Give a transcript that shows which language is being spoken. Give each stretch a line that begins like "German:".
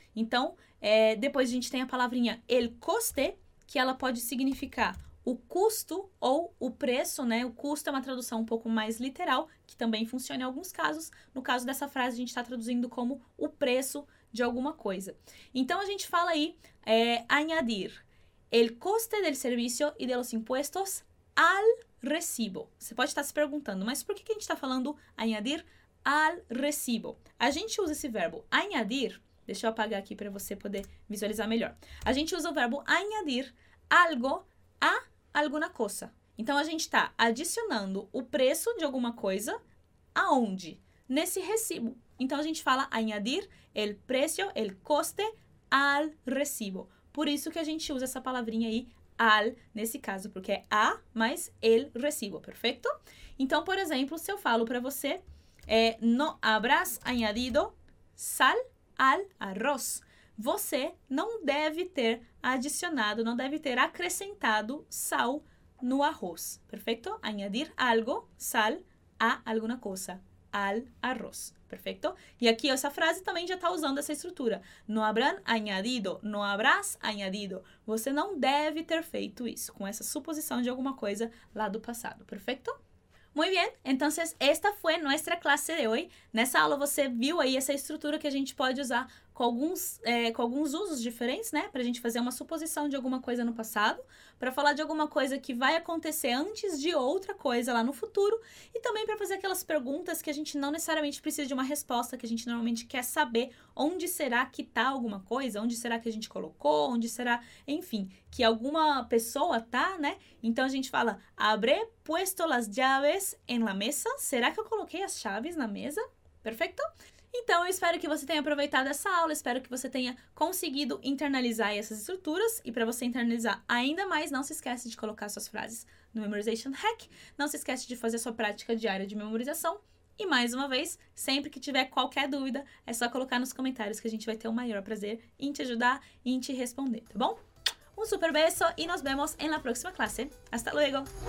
Portuguese: Então, depois a gente tem a palavrinha el coste, que ela pode significar o custo ou o preço, né? O custo é uma tradução um pouco mais literal, que também funciona em alguns casos. No caso dessa frase, a gente está traduzindo como o preço de alguma coisa. Então, a gente fala aí,
Spanish: añadir el coste del servicio y de los impuestos al recibo.
Portuguese: Você pode estar se perguntando, mas por que a gente está falando
Spanish: añadir al recibo?
Portuguese: A gente usa esse verbo añadir, deixa eu apagar aqui para você poder visualizar melhor. A gente usa o verbo añadir algo a alguma coisa. Então, a gente está adicionando o preço de alguma coisa aonde? Nesse recibo. Então, a gente fala
Spanish: añadir el precio, el coste al recibo.
Portuguese: Por isso que a gente usa essa palavrinha aí, al, nesse caso, porque é a mais el recibo, perfeito? Então, por exemplo, se eu falo para você,
Spanish: no habrás añadido sal al arroz.
Portuguese: Você não deve ter adicionado, não deve ter acrescentado sal no arroz, perfeito?
Spanish: Añadir algo, sal, a alguna cosa, al arroz,
Portuguese: perfeito? E aqui essa frase também já está usando essa estrutura.
Spanish: No habrán añadido, no habrás añadido.
Portuguese: Você não deve ter feito isso, com essa suposição de alguma coisa lá do passado, perfeito?
Spanish: Muy bien, entonces esta fue nuestra clase de hoy.
Portuguese: Nessa aula você viu aí essa estrutura que a gente pode usar com alguns usos diferentes, né? Pra gente fazer uma suposição de alguma coisa no passado, pra falar de alguma coisa que vai acontecer antes de outra coisa lá no futuro e também pra fazer aquelas perguntas que a gente não necessariamente precisa de uma resposta, que a gente normalmente quer saber onde será que tá alguma coisa, onde será que a gente colocou, onde será, enfim, que alguma pessoa tá, né? Então a gente fala,
Spanish: habré puesto las llaves en la mesa?
Portuguese: Será que eu coloquei as chaves na mesa? Perfeito? Então, eu espero que você tenha aproveitado essa aula, espero que você tenha conseguido internalizar essas estruturas. E para você internalizar ainda mais, não se esquece de colocar suas frases no Memorization Hack. Não se esquece de fazer a sua prática diária de memorização. E mais uma vez, sempre que tiver qualquer dúvida, é só colocar nos comentários que a gente vai ter o maior prazer em te ajudar e em te responder, tá bom? Um super beijo e nos vemos na próxima classe.
Spanish: Hasta luego!